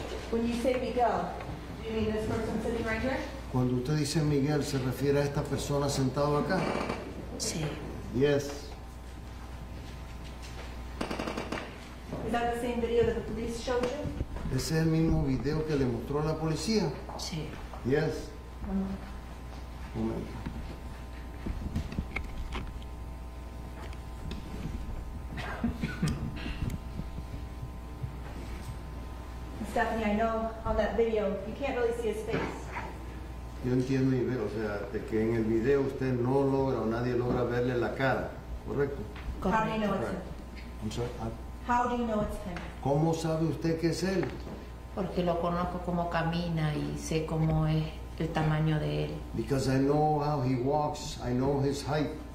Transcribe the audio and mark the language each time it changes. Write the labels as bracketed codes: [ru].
[en] When you say Miguel, you mean this person sitting right here? [es] Cuando usted dice Miguel, ¿se refiere a esta persona sentado acá? Sí. [en] Yes. Is that the same video that the police showed you? [es] ¿Ese es el mismo video que le mostró a la policía? Sí. [en] Yes. Stephanie, I know on that video you can't really see his face. [es] Yo entiendo y veo, o sea, de que en el video usted no logra o nadie logra verle la cara, ¿correcto? [en] How do you know it's him? I'm sorry. How do you know it's him? [es] ¿Cómo sabe usted que es él? Porque lo conozco cómo camina y sé cómo es el tamaño de él. [en] Because I know how he walks, I know his height.